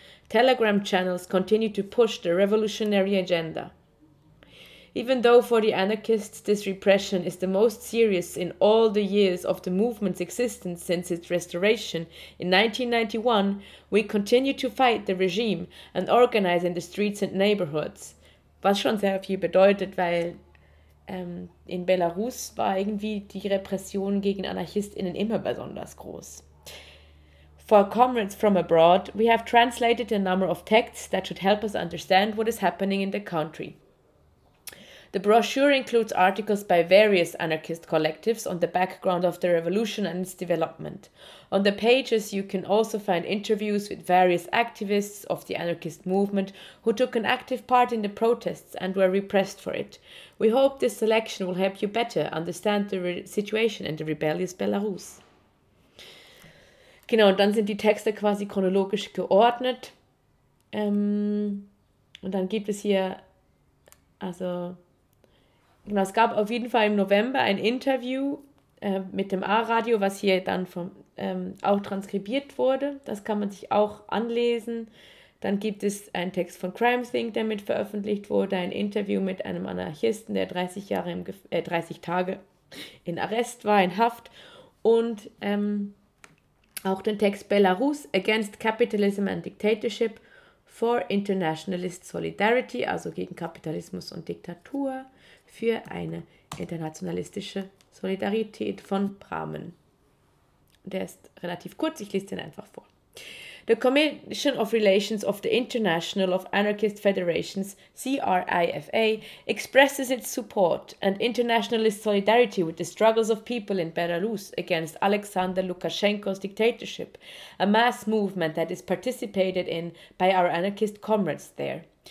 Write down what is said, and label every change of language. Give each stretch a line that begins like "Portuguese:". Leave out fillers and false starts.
English: Telegram channels continue to push the revolutionary agenda. Even though for the anarchists this repression is the most serious in all the years of the movement's existence since its restoration in 1991, we continue to fight the regime and organize in the streets and neighborhoods.
German: Was schon sehr viel bedeutet, weil in Belarus war irgendwie die Repression gegen AnarchistInnen immer besonders groß.
English: For comrades from abroad, we have translated a number of texts that should help us understand what is happening in the country. The brochure includes articles by various anarchist collectives on the background of the revolution and its development. On the pages you can also find interviews with various activists of the anarchist movement who took an active part in the protests and were repressed for it. We hope this selection will help you better understand the situation in the rebellious Belarus.
German: Genau, und dann sind die Texte quasi chronologisch geordnet. Und dann gibt es hier, also, genau, es gab auf jeden Fall im November ein Interview mit dem A-Radio, was hier dann vom, auch transkribiert wurde. Das kann man sich auch anlesen. Dann gibt es einen Text von Crime Think, der mit veröffentlicht wurde, ein Interview mit einem Anarchisten, der 30 Tage in Arrest war, in Haft. Und auch den Text Belarus Against Capitalism and Dictatorship for Internationalist Solidarity, also gegen Kapitalismus und Diktatur, für eine internationalistische Solidarität von Brahmen. Der ist relativ kurz, ich lese den einfach vor.
English: The Commission of Relations of the International of Anarchist Federations, CRIFA, expresses its support and internationalist solidarity with the struggles of people in Belarus against Alexander Lukashenko's dictatorship, a mass movement that is participated in by our anarchist comrades there.